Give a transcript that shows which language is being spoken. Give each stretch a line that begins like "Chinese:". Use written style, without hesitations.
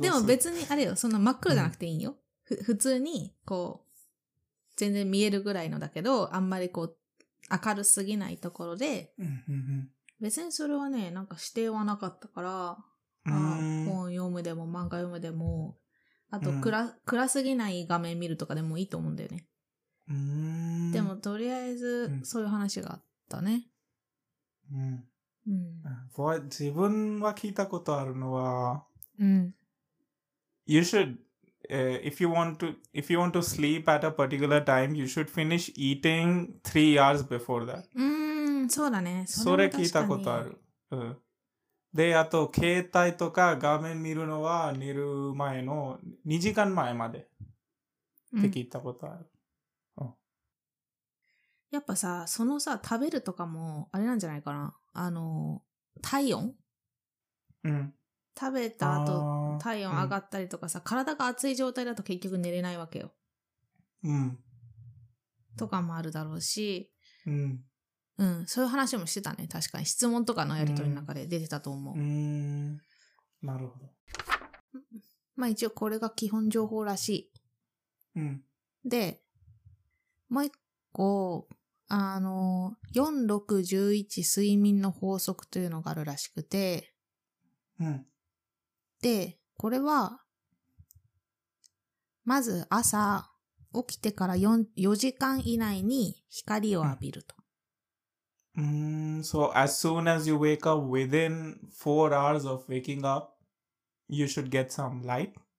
Japanese: でも別にあれよ、そんな真っ暗じゃなくていいよ。普通に、こう、全然見えるぐらいのだけど、あんまりこう、明るすぎないところで、別にそれはね、なんか指定はなかったから、本読むでも漫画読むでも、あと暗すぎない画面見るとかでもいいと思うんだよね。でもとりあえずそういう話があったね。うん。うん。自分は聞いたことあるのは、うん。
English: You should, if you want to sleep at a particular time, you should finish eating 3 hours before that.
Japanese: そうだね。それ聞いたことある。うん。で、あと携帯とか画面見るのは寝る前の2時間前までって聞いたことある。うん。やっぱさ、そのさ、食べるとかもあれなんじゃないかな。体温？うん。食べた後、体温上がったりとかさ、うん、体が熱い状態だと結局寝れないわけよ。うん。とかもあるだろうし。うん。うん、そういう話もしてたね。確かに。質問とかのやりとりの中で出てたと思う。なるほど。まあ一応これが基本情報らしい。うん。で、もう一個、4、6、11睡眠の法則というのがあるらしくて、うん。で、これは、まず朝、起きてから4時間以内に光を浴びると。
English: So as soon as you wake up within 4 hours of waking up, you should get some light?